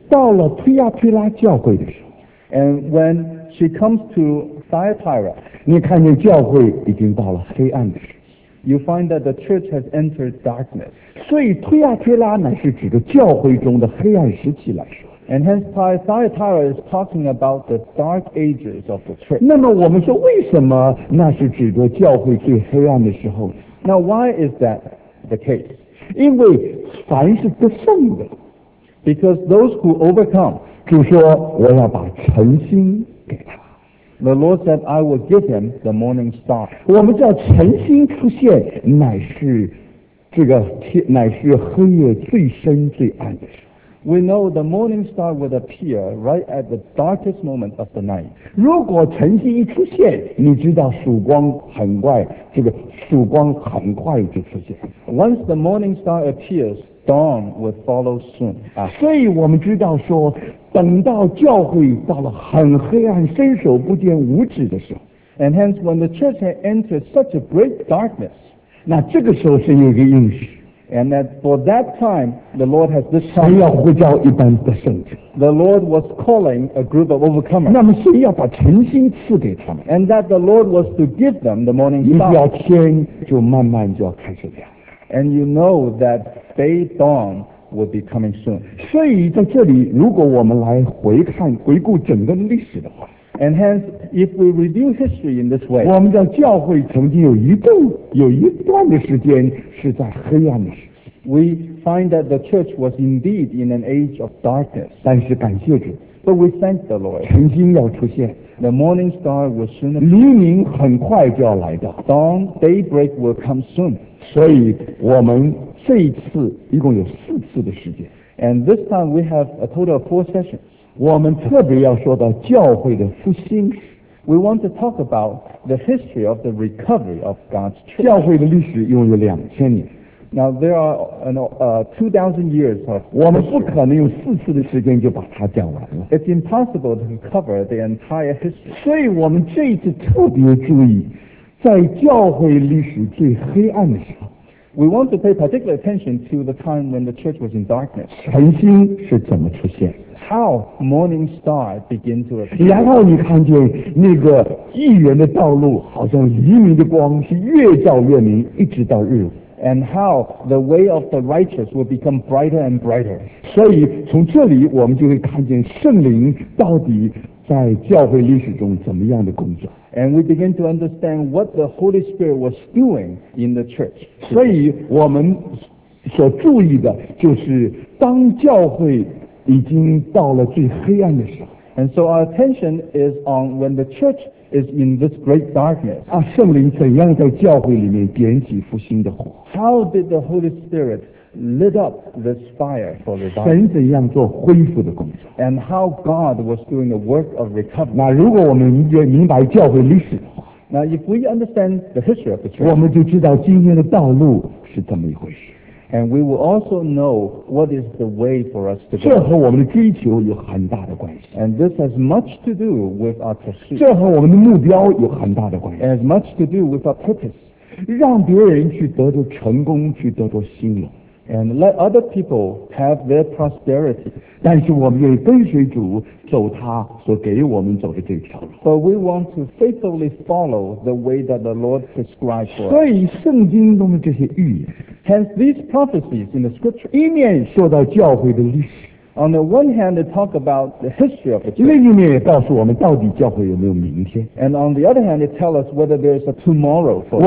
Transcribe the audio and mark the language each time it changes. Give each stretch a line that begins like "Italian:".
Chinese: 到了推亚推拉教会的时候，
English: And when she comes to Thyatira,
Chinese: 你看见教会已经到了黑暗的时候。
English: You find that the church has entered darkness.
Chinese: 所以推亚推拉乃是指着教会中的黑暗时期来说。
English: And hence Thyatira is talking about the dark ages of the church.
Chinese: 那么我们说为什么那是指着教会最黑暗的时候？
English: Now why is that the case?
Chinese: 因为凡是得胜的，
English: because those who overcome,
Chinese: 主说我要把晨星给他。
English: The Lord said, I will give him the morning star.
Chinese: 我们知道晨星出现乃是这个天乃是黑夜最深最暗的时候。
English: We know the morning star would appear right at the darkest moment of the night.
Chinese: 如果晨星一出现，你知道曙光很快，这个曙光很快就出现。
English: Once the morning star appears, dawn would follow soon.
Chinese: 所以我们知道说等到教会到了很黑暗伸手不见五指的时候。
English: And hence when the church had entered such a great darkness.
Chinese: 那这个时候是有一个应许。
English: And that for that time, the Lord has this time.
Chinese: 谁要呼叫一般得胜者。
English: The Lord was calling a group of overcomers.
Chinese: 那么谁要把晨星赐给他们。
English: And that the Lord was to give them the morning star.
Chinese: 一到天就慢慢就要开始亮。
English: And you know that day dawn,will be coming soon.
Chinese: 所以在这里如果我们来回看回顾整个历史的话，
English: And hence if we review history in this way,
Chinese: 我们的教会曾经有一段的时间是在黑暗的时期。
English: We find that the church was indeed in an age of darkness.
Chinese: 但是感谢主，
English: But we thank the Lord,
Chinese: 晨星要出现，
English: The morning star will soon appear.
Chinese: 黎明很快就要来到，
English: Dawn, daybreak will come soon.
Chinese: 所以我们这一次一共有四次的时间。
English: And this time we have a total of four sessions.
Chinese: 我们特别要说到教会的复兴。
English: We want to talk about the history of the recovery of God's church.
Chinese: 教会的历史一共有两千年。
English: Now there are 2,000 years of history.
Chinese: 我们不可能用四次的时间就把它讲完了。
English: It's impossible to cover the entire history.
Chinese: 所以我们这一次特别注意，在教会历史最黑暗的时候。
English: We want to pay particular attention to the time when the church was in darkness.
Chinese: 晨星是怎么出现？
English: How morning star begin to appear?
Chinese: 然后你看见那个义人的道路，好像黎明的光是越照越明，一直到日。
English: And how the way of the righteous will become brighter and brighter.
Chinese: 所以从这里我们就会看见圣灵到底在教会历史中怎么样的工作。
English: And we begin to understand what the Holy Spirit was doing in the church.
Chinese: 所以我们所注意的就是当教会已经到了最黑暗的时候。
English: And so our attention is on when the church is in this great darkness.
Chinese: 啊，圣灵怎样在教会里面点起复兴的火？
English: How did the Holy Spirit lit up this fire for the darkness?
Chinese: 神怎样做恢复的工作？
English: And how God was doing the work of recovery?
Chinese: 那如果我们明白教会历史的话，
English: Now if we understand the history of the church,
Chinese: 我们就知道今天的道路是怎么一回事。
English: And we will also know what is the way for us to go.
Chinese: 这和我们的追求有很大的关系。
English: And this has much to do with our pursuit.
Chinese: 这和我们的目标有很大的关系。
English: And has much to do with our purpose.
Chinese: 让别人去得到成功，去得到兴隆。
English: And let other people have their prosperity.
Chinese: 但是我们愿意跟随主走他所给我们走的这条路。
English: But we want to faithfully follow the way that the Lord prescribed for us.
Chinese: 所以圣经中的这些预言。
English: Hence these prophecies in the scripture.
Chinese: 一面说到教会的历史。
English: On the one hand, they talk about the history of the church.
Chinese: 另一面也告诉我们到底教会有没有明天。
English: And on the other hand, they tell us whether there's a tomorrow for us.